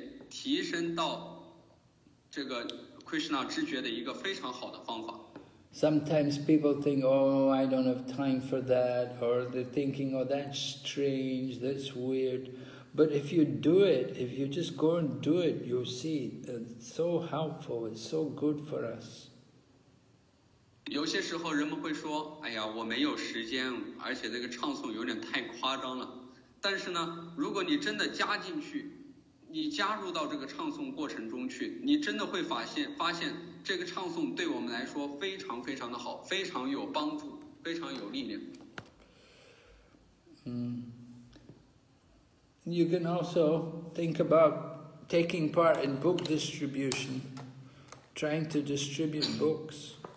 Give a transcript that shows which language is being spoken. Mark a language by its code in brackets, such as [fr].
[zh] 通过念诵和奉献者联谊，参加好的这种唱诵，这是非常好的一种方法，也是非常重要的，把我们从这种麻烦的物质世界提升到这个 Krishna 知觉的一个非常好的方法。 [en] Sometimes people think, oh, I don't have time for that, or they're thinking, oh, that's strange, that's weird. But if you do it, if you just go and do it, you'll see it's so helpful, it's so good for us. [zh] 有些时候人们会说，哎呀，我没有时间，而且这个唱诵有点太夸张了。但是呢，如果你真的加进去，你加入到这个唱诵过程中去，你真的会发现这个唱诵对我们来说非常非常的好，非常有帮助，非常有力量。 [en] You can also think about taking part in book distribution, trying to distribute books.